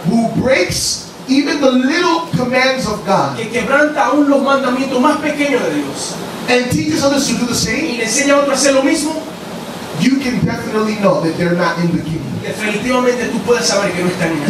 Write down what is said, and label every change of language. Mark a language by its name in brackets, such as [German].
[English] who breaks even the little commands of God, [Spanish] que quebranta aún los mandamientos más pequeños de Dios, [English] and teaches others to do the same, [Spanish] y le enseña a otro a hacer lo mismo, [English] you can definitely know that they're not in the kingdom. [Spanish] Definitivamente tú puedes saber que no están en.